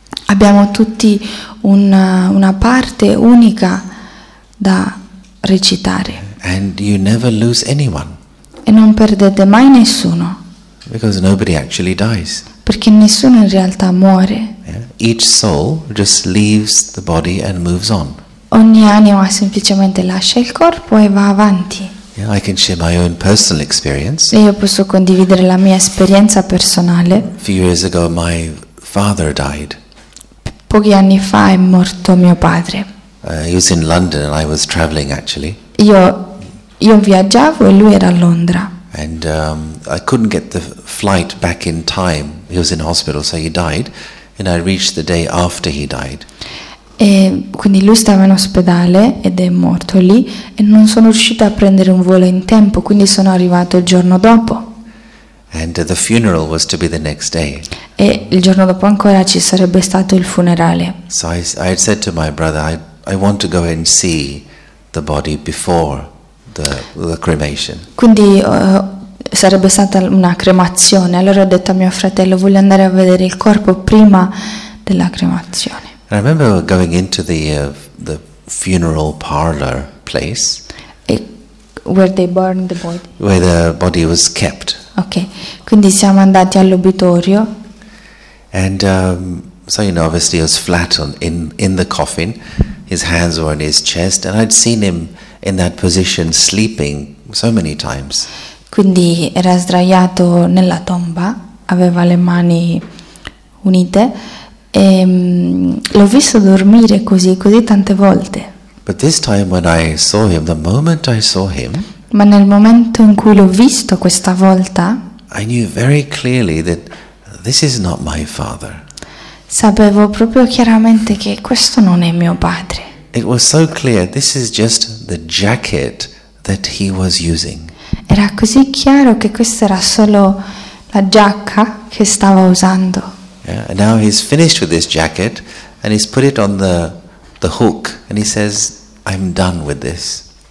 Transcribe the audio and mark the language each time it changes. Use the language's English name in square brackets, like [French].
[Italian] Abbiamo tutti una parte unica da recitare. [English] And you never lose anyone. [Italian] E non perdete mai nessuno. [English] Because nobody actually dies. [Italian] Perché nessuno in realtà muore. [English] Yeah. Each soul just leaves the body and moves on. [Italian] Ogni anima semplicemente lascia il corpo e va avanti. [English] I can share my own personal experience. [Italian] Io posso condividere la mia esperienza personale. [English] A few years ago, my father died. [Italian] Pochi anni fa è morto mio padre. [English] He was in London and I was traveling actually. [Italian] Io viaggiavo e lui era a Londra. [English] And I couldn't get the flight back in time. He was in hospital, so he died, and I reached the day after he died. [Italian] E quindi lui stava in ospedale ed è morto lì e non sono riuscita a prendere un volo in tempo, quindi sono arrivato il giorno dopo. [English] And the funeral was to be the next day. [Italian] E il giorno dopo ancora ci sarebbe stato il funerale. [English] So I said to my brother, I want to go and see the body before the cremation. [Italian] Quindi sarebbe stata una cremazione, allora ho detto a mio fratello, voglio andare a vedere il corpo prima della cremazione. [English] I remember going into the funeral parlor place where they burned the body. Where the body was kept. [Italian] Okay. Quindi siamo andati all'obitorio. [English] And so you know, obviously he was flat in the coffin. His hands were on his chest and I'd seen him in that position sleeping so many times. [Italian] Quindi era sdraiato nella tomba, aveva le mani unite. E l'ho visto dormire così tante volte. [English] But this time when I saw him, the moment I saw him, [Italian] ma nel momento in cui l'ho visto questa volta, [English] I knew very clearly that this is not my father. [Italian] Sapevo proprio chiaramente che questo non è mio padre. [English] It was so clear, this is just the jacket that he was using. [Italian] Era così chiaro che questa era solo la giacca che stava usando. [English] Yeah, and now he's finished with this jacket and he's put it on the hook and he says, I'm done with this.